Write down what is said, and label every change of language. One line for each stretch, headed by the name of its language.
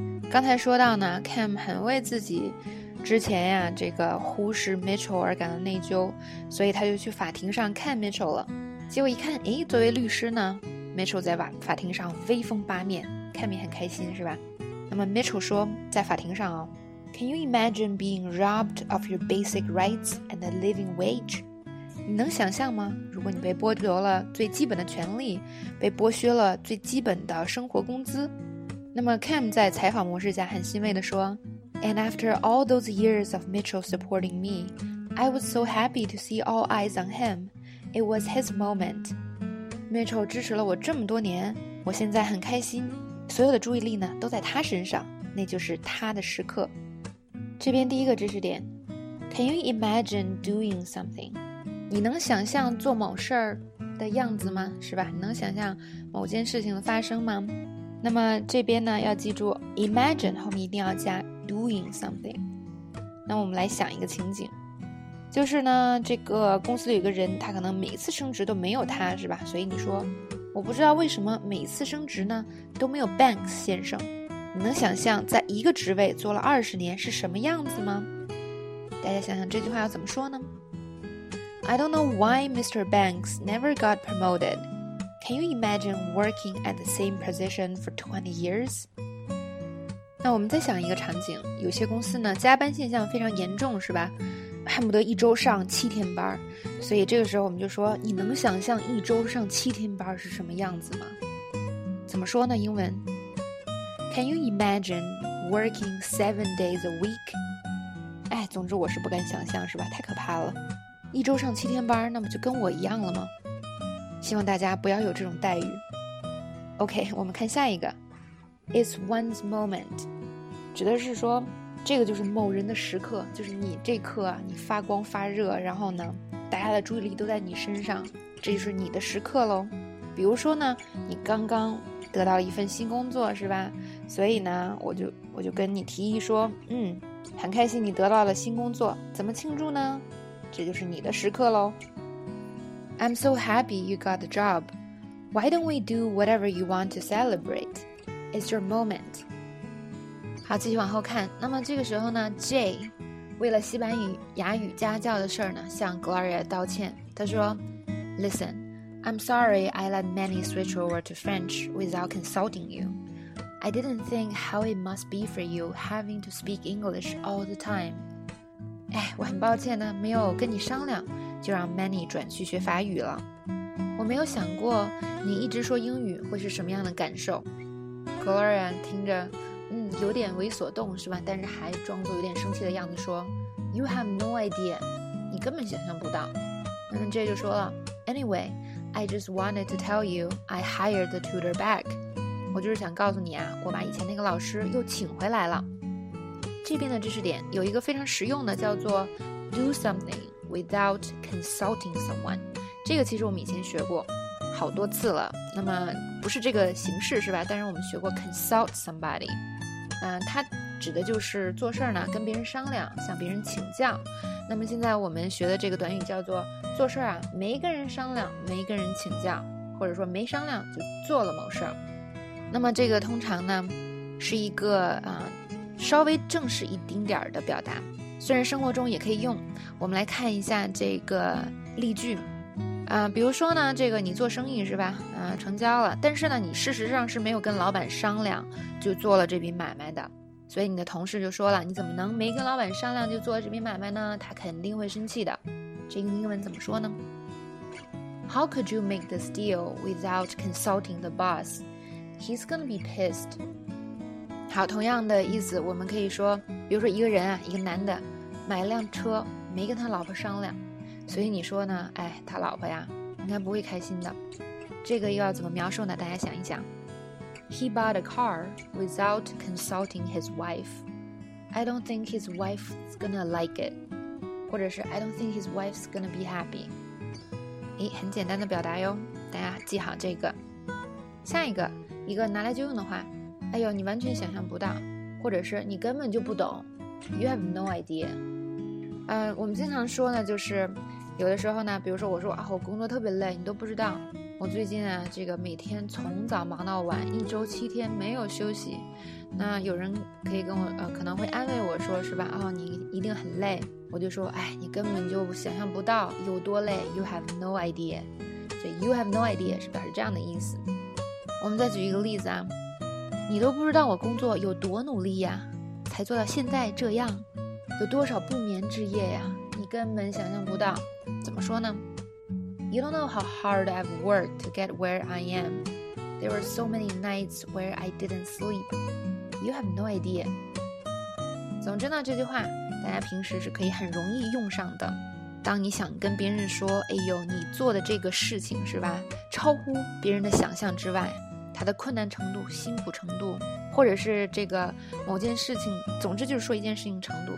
Chinese: 刚才说到呢 Cam 很为自己之前呀这个忽视 Mitchell 而感到内疚，所以他就去法庭上看 Mitchell 了。结果一看，诶，作为律师呢 Mitchell 在法庭上威风八面， Cam 也很开心，是吧？那么 Mitchell 说在法庭上，哦，
English: Can you imagine being robbed of your basic rights and a living wage?
Chinese: 你能想象吗？如果你被剥夺了最基本的权利，被剥削了最基本的生活工资。那么 Cam 在采访模式下很欣慰地说，
English: And after all those years of Mitchell supporting me, I was so happy to see all eyes on him. It was his moment.
Chinese: Mitchell 支持了我这么多年，我现在很开心，所有的注意力呢都在他身上，那就是他的时刻。这边第一个知识点，
English: Can you imagine doing something?
Chinese: 你能想象做某事儿的样子吗？是吧？你能想象某件事情的发生吗？那么这边呢，要记住 imagine 后面一定要加 doing something。那我们来想一个情景，就是呢，这个公司有一个人，他可能每次升职都没有他，是吧？所以你说，我不知道为什么每次升职呢都没有 Banks 先生。你能想象在一个职位做了20年是什么样子吗？大家想想这句话要怎么说呢？
English: I don't know why Mr. Banks never got promoted. Can you imagine working at the same position for 20 years?
Chinese: 那我们再想一个场景，有些公司呢，加班现象非常严重，是吧？恨不得一周上7天班。所以这个时候我们就说，你能想象一周上7天班是什么样子吗？怎么说呢？英文。
English: Can you imagine working 7 days a week?
Chinese: 哎，总之我是不敢想象，是吧？太可怕了。一周上7天班，那么就跟我一样了吗？希望大家不要有这种待遇。
English: OK,
Chinese: 我们看下一个。
English: It's one's moment.
Chinese: 指的是说，这个就是某人的时刻，就是你这刻啊，你发光发热，然后呢，大家的注意力都在你身上，这就是你的时刻咯。比如说呢，你刚刚得到了一份新工作，是吧？所以呢，我就跟你提议说，嗯，很开心你得到了新工作，怎么庆祝呢？这就是你的时刻咯。
English: I'm so happy you got the job. Why don't we do whatever you want to celebrate? It's your moment.
Chinese: 好，继续往后看。那么这个时候呢， Jay 为了西班牙语家教的事儿呢，向 Gloria 道歉。
English: 他说， Listen, I'm sorry I let Manny switch over to French without consulting you. I didn't think how it must be for you having to speak English all the time.
Chinese: 哎，我很抱歉呢，没有跟你商量就让 Manny 转去学法语了。我没有想过你一直说英语会是什么样的感受。 Gloria 听着，嗯，有点猥琐动，是吧？但是还装作有点生气的样子说，
English: You have no idea,
Chinese: 你根本想象不到。那么 Jay 就说了，
English: Anyway, I just wanted to tell you I hired the tutor back.
Chinese: 我就是想告诉你啊，我把以前那个老师又请回来了。这边的知识点有一个非常实用的，叫做
English: do something without consulting someone。
Chinese: 这个其实我们以前学过好多次了，那么不是这个形式，是吧？但是我们学过 consult somebody、它指的就是做事呢跟别人商量，向别人请教。那么现在我们学的这个短语叫做做事啊没跟人商量没跟人请教，或者说没商量就做了某事。那么这个通常呢是一个稍微正式一丁点的表达，虽然生活中也可以用。我们来看一下这个例句，比如说呢，这个你做生意是吧，成交了，但是呢你事实上是没有跟老板商量就做了这笔买卖的，所以你的同事就说了，你怎么能没跟老板商量就做了这笔买卖呢？他肯定会生气的。这个英文怎么说呢？
English: How could you make this deal without consulting the boss? He's gonna be pissed.
Chinese: 好，同样的意思我们可以说，比如说一个人啊，一个男的买了辆车没跟他老婆商量，所以你说呢，哎，他老婆呀应该不会开心的。这个又要怎么描述呢？大家想一想。
English: He bought a car without consulting his wife. I don't think his wife's gonna like it.
Chinese: 或者是
English: I don't think his wife's gonna be happy.
Chinese: 诶，很简单的表达哟，大家记好这个。下一个，一个拿来就用的话，哎呦，你完全想象不到，或者是你根本就不懂，
English: You have no idea。
Chinese: 我们经常说呢，就是有的时候呢，比如说我说啊，我工作特别累，你都不知道。我最近啊，这个每天从早忙到晚，一周七天没有休息。那有人可以跟我，可能会安慰我说，是吧？哦，你一定很累。我就说，哎，你根本就想象不到有多累 ，
English: You have no idea。
Chinese: 所以
English: You have no idea
Chinese: 是吧？是这样的意思。我们再举一个例子啊，你都不知道我工作有多努力呀，才做到现在这样，有多少不眠之夜呀，你根本想象不到。怎么说呢？
English: You don't know how hard I've worked to get where I am. There were so many nights where I didn't sleep. You have no idea.
Chinese: 总之呢，这句话大家平时是可以很容易用上的。当你想跟别人说，哎呦，你做的这个事情是吧，超乎别人的想象之外，它的困难程度、辛苦程度，或者是这个某件事情，总之就是说一件事情程度。